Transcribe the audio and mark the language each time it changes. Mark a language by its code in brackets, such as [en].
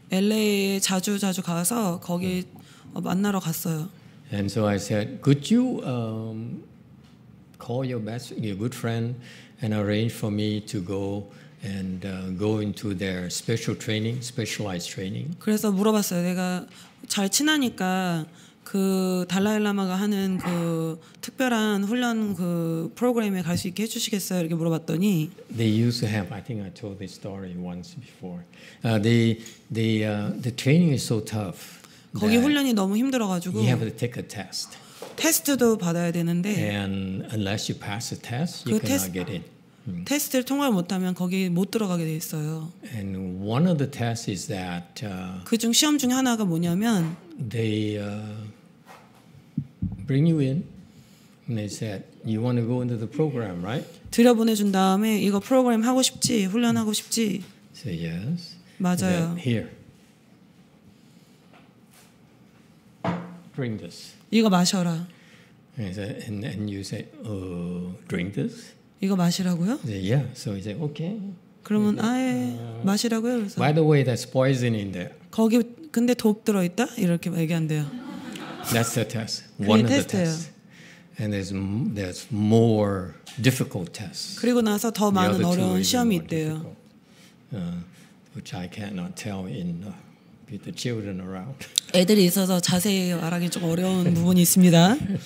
[ko] LA에 자주 가서 거기 만나러 갔어요. [en] And so I said, could you call your good friend and arrange for me to go and go into their special training, specialized training? [ko] 그래서 물어봤어요. 내가 잘 친하니까 그 달라이 라마가 하는 그 특별한 훈련 그 프로그램에 갈 수 있게 해 주시겠어요? 이렇게 물어봤더니 [en] They used to have I think I told this story once before. The training is so tough. [ko] 거기 훈련이 너무 힘들어가지고 [en] you have to take a test. [ko] 테스트도 받아야 되는데 [en] And unless you pass the test, you cannot get in. [ko] 테스트를 통과 못하면 거기 못 들어가게 돼 있어요. [en] And one of the tests is that [ko] 그중 시험 중에 하나가 뭐냐면 [en] they bring you in And they said, "You want to go into the program, right?" [ko] 들여보내준 다음에 이거 프로그램 하고 싶지, 훈련하고 싶지. [en] Say yes. [ko] 맞아요. [en] Here. Drink this. [ko] 이거 마셔라. [en] And he said, and you say, drink this. [ko] 이거 마시라고요? [en] Yeah. So he said, okay. [ko] 그러면 아예 마시라고요. 그래서. [en] By the way, that's poison in there. [ko] 거기 근데 독 들어 있다 이렇게 얘기한대요. [en] That's the test. One of the tests. And there's more difficult tests. [ko] 그리고 나서 더 많은 어려운 시험이 있대요. [en] Which I cannot tell in with the children around. [ko] 애들이 있어서 자세히 말하기 좀 어려운 부분이 있습니다.